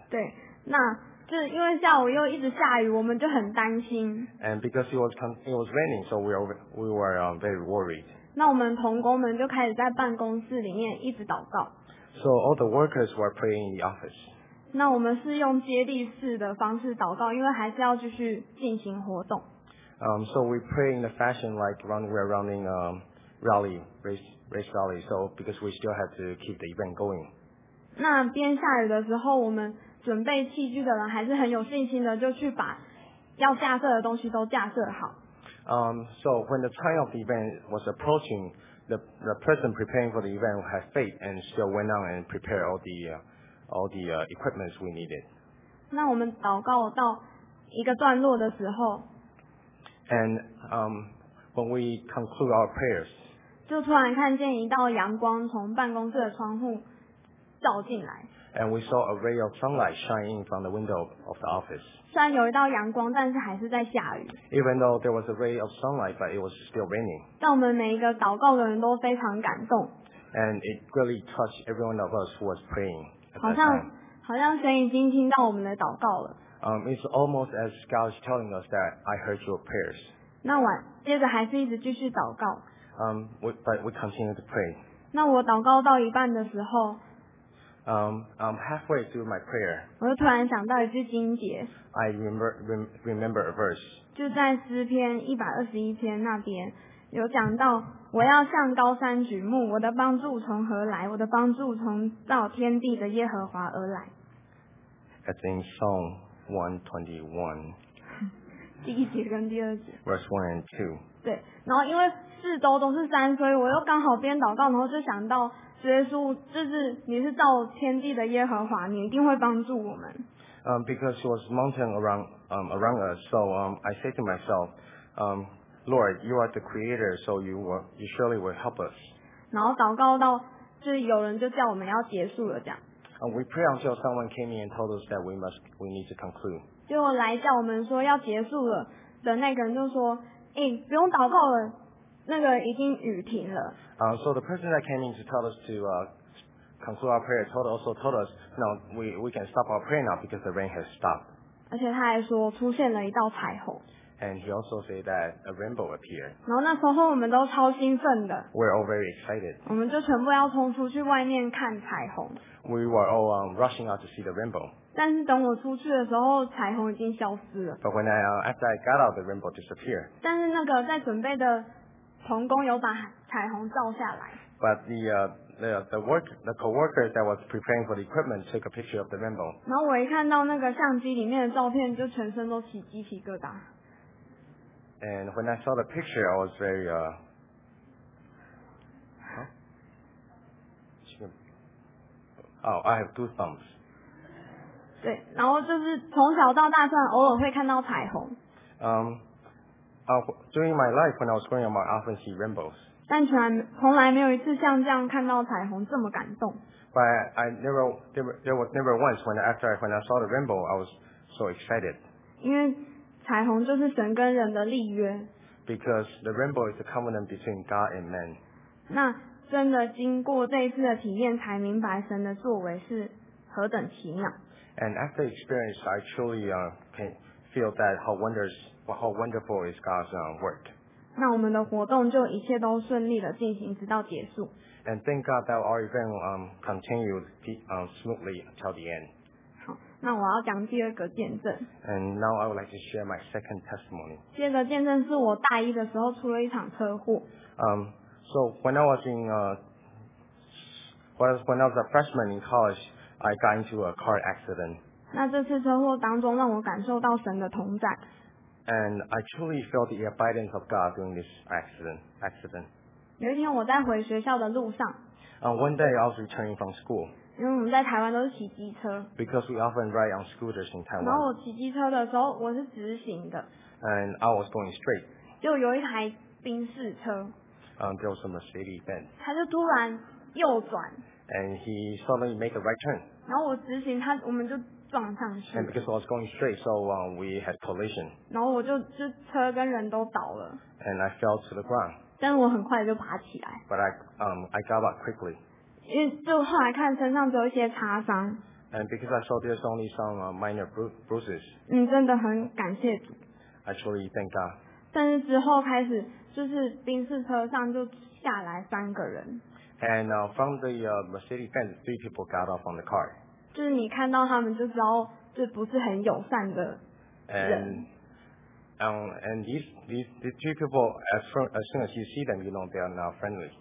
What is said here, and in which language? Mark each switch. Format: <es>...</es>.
<zh>对，那就因为下午又一直下雨，我们就很担心。</zh> <en>And because it was raining, so we were very worried.</en> <zh>那我们同工们就开始在办公室里面一直祷告。</zh> <en>So all the workers were praying in the office.</en> <zh>那我们是用接力式的方式祷告，因为还是要继续进行活动。</zh> <en>So we pray in a fashion like we're running a rally, race rally. So because we still have to keep the event going.</en> <zh>那边下雨的时候，我们准备器具的人还是很有信心的，就去把要架设的东西都架设好。</zh> <en>So when the time of the event was approaching, the person preparing for the event had faith and still went on and prepared all the equipment we needed.</en> <zh>那我们祷告到一个段落的时候。</zh> <en>And when we conclude our prayers,</en> <zh>就突然看见一道阳光从办公室的窗户照进来。</zh> <en>And we saw a ray of sunlight shining from the window of the office.</en> <zh>虽然有一道阳光，但是还是在下雨。</zh> <en>Even though there was a ray of sunlight, but it was still raining.</en> <zh>让我们每一个祷告的人都非常感动。</zh> <en>And it really touched every one of us who was praying.</en> <zh>好像神已经听到我们的祷告了。</zh> <en>It's almost as God is telling us that I heard your prayers.</en> <zh>那我接着还是一直继续祷告。</zh> <en>But we continue to pray.</en> <zh>那我祷告到一半的时候。</zh> <en>Halfway through my prayer.</en> <zh>我就突然想到一句经节。</zh> <en>I remember a verse.</en> <zh>就在诗篇121篇那边有讲到，我要向高山举目，我的帮助从何来？我的帮助从造天地的耶和华而来。</zh> <en>That's in Psalm 121.</en> <zh>第一节跟第二节。</zh> <en>Verse 1 and 2.</en> <zh>对，然后因为四周都是山，所以我又刚好边祷告，然后就想到主耶稣，就是你是造天地的耶和华，你一定会帮助我们。</zh> <en>Because it was mountain around us, so I said to myself, Lord, you are the creator, so you surely will help us.</en> <zh>然后祷告到就是有人就叫我们要结束了这样。</zh> <en>We pray until someone came in and told us that we need to conclude.</en> <zh>结果来叫我们说要结束了的那个人就说，不用祷告了。那个已经雨停了。</zh> <en>So the person that came in to tell us to conclude our prayer also told us, no, we can stop our prayer now because the rain has stopped.</en> <zh>而且他还说出现了一道彩虹。</zh> <en>And he also said that a rainbow appeared.</en> <zh>然后那时候我们都超兴奋的。</zh> <en>We're all very excited.</en> <zh>我们就全部要冲出去外面看彩虹。</zh> <en>We were all rushing out to see the rainbow.</en> <zh>但是等我出去的时候，彩虹已经消失了。</zh> <en>But when after I got out, the rainbow disappeared.</en> <zh>但是那个在准备的同工有把彩虹照下来。</zh> <en>But the co-worker that was preparing for the equipment took a picture of the rainbow.</en> <zh>然后我一看到那个相机里面的照片，就全身都起鸡皮疙瘩。</zh> <en>And when I saw the picture, I was very I have goosebumps.</en> <zh>对，然后就是从小到大，虽然偶尔会看到彩虹。</zh> <en>During my life when I was growing up, I often see rainbows.</en> <zh>但从来没有一次像这样看到彩虹这么感动。</zh> <en>But I never once when I saw the rainbow, I was so excited.</en> <zh>因为彩虹就是神跟人的立约。</zh> <en>Because the rainbow is a covenant between God and man.</en> <zh>那真的经过这一次的体验，才明白神的作为是何等奇妙。</zh> <en>And after experience, I truly can feel that how wonderful is God's work.</en> <zh>那我们的活动就一切都顺利的进行，直到结束。</zh> <en>And thank God that our event continued smoothly until the end.</en> <zh>好，那我要讲第二个见证。</zh> <en>And now I would like to share my second testimony.</en> <zh>第二个见证是我大一的时候出了一场车祸。</zh> <en>So when I was a freshman in college, I got into a car accident.</en> <zh>那这次车祸当中让我感受到神的同在。</zh> <en>And I truly felt the abundance of God during this accident.</en> <zh>有一天我在回学校的路上。</zh> <en>One day I was returning from school.</en> <zh>因为我们在台湾都是骑机车。</zh> <en>Because we often ride on scooters in Taiwan.</en> <zh>然后我骑机车的时候我是直行的。</zh> <en>And I was going straight.</en> <zh>就有一台宾士车。</zh> <en>There was a Mercedes Benz.</en> <zh>他就突然右转。</zh> <en>And he suddenly made a right turn.</en> <zh>然后我直行，他我们就撞上去。</zh> <en>And because I was going straight, so we had collision.</en> <zh>然后我就车跟人都倒了。</zh> <en>And I fell to the ground.</en> <zh>但我很快就爬起来。</zh> <en>But I got up quickly.</en> <zh>因为就后来看身上只有一些擦伤。</zh> <en>And because I saw there's only some minor bruises.</en> <zh>真的很感谢主。</zh> <en>I truly thank God.</en> <zh>但是之后开始。就是宾士车上就下来三个人。</zh> <en>And from the Mercedes Benz, three people got off on the car.</en> <zh>就是你看到他们就知道这不是很友善的人。</zh> <en>And these three people, as soon as you see them, you know they are not friendly.</en>